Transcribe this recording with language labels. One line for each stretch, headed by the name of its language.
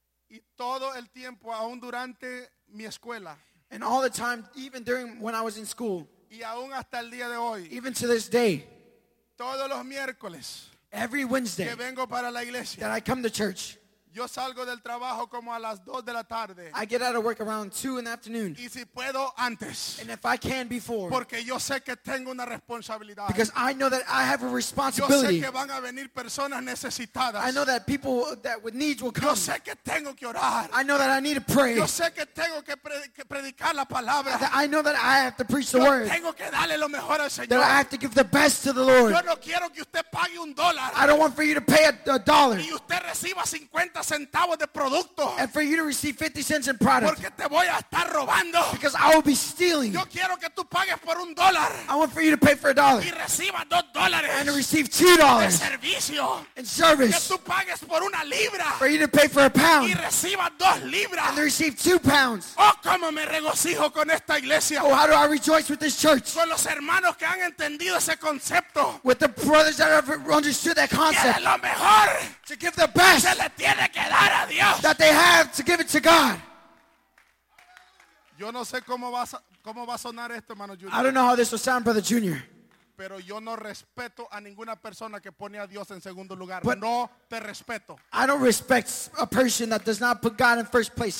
Spanish: Y todo el tiempo, aún durante mi escuela.
English: And all the time, even during when I was in school.
Spanish: Y aún hasta el día de hoy.
English: Even to this day.
Spanish: Todos los miércoles.
English: Every Wednesday.
Spanish: Que vengo para la iglesia.
English: That I come to church.
Spanish: Yo salgo del trabajo como a las 2 de la tarde.
English: I get out of work around 2 in the afternoon.
Spanish: Y si puedo antes.
English: And if I can before.
Spanish: Porque yo sé que tengo una responsabilidad.
English: Because I know that I have a responsibility.
Spanish: Yo sé que van a venir personas necesitadas.
English: I know that people that with needs will come.
Spanish: Yo sé que tengo que orar.
English: I know that I need to pray.
Spanish: Yo sé que tengo que predicar la palabra.
English: I know that I have to preach the
Spanish: yo
English: word.
Spanish: Tengo que darle lo mejor al Señor.
English: That I have to give the best to the Lord.
Spanish: Yo no quiero que usted pague un dólar.
English: I don't want for you to pay a dollar.
Spanish: Y usted reciba 50 centavos de producto.
English: And for you to receive 50 cents in product.
Spanish: Porque te voy a estar robando.
English: Because I will be stealing.
Spanish: Yo quiero que tú pagues por un dólar.
English: I want for you to pay for a dollar.
Spanish: Y reciba $2.
English: And to receive $2.
Spanish: De servicio.
English: In service.
Spanish: Que tú pagues por una libra.
English: For you to pay for a pound.
Spanish: Y reciba 2 libras.
English: And to receive 2 pounds.
Spanish: Oh, cómo me regocijo con esta iglesia.
English: Oh, how do I rejoice with this church.
Spanish: Con los hermanos que han entendido ese concepto.
English: With the brothers that have understood that concept.
Spanish: Lo mejor.
English: To give the best.
Spanish: Se le tiene
English: that they have to give it to God.
Spanish: Yo no sé cómo va a sonar esto, hermano Junior.
English: I don't know how this will sound, brother Junior.
Spanish: Pero yo no respeto a ninguna persona que pone a Dios en segundo lugar. But no te respeto.
English: I don't respect a person that does not put God in first place.